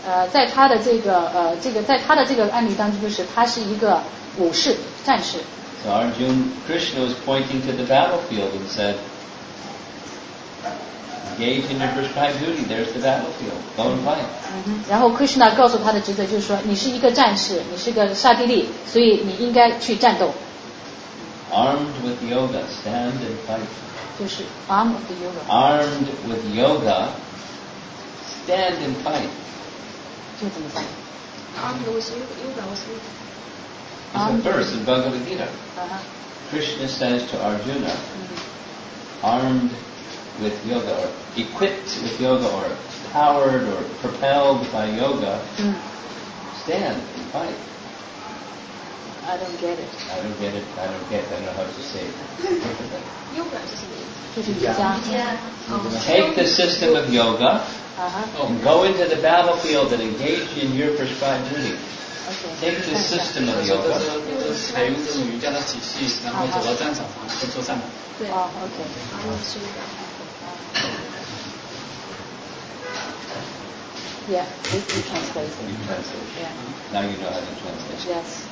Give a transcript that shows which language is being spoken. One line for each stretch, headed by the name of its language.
Chinese: 在他的这个在他的这个案例当中，就是他是一个武士，战士。
English: So Arjuna Krishna was pointing to the battlefield and said, "Engage in your prescribed duty. There's the battlefield. Go and fight." 然后 Krishna 告诉他的职责就是说，你是一个战士，你是个刹帝利，所以你应该去战斗。 Armed with yoga, stand and fight.
Chinese: 就是
English: armed with yoga. Armed with yoga. Stand and fight.
Chinese: 就怎么办
English: Armed with yoga, with yoga. It's a verse in Bhagavad Gita. Krishna says to Arjuna, armed with yoga, or equipped with yoga, or powered or propelled by yoga, stand and fight. I don't know how to say it. Yoga is just yoga. Take the system of yoga. And go into the battlefield and engage in your prescribed duty. Take the system of yoga.
Chinese: 就是采用这种瑜伽的体系，然后走到战场上去作战。对，OK。
English: Yeah, you translate. You translate. Yeah. Now you know how to translate. Yes.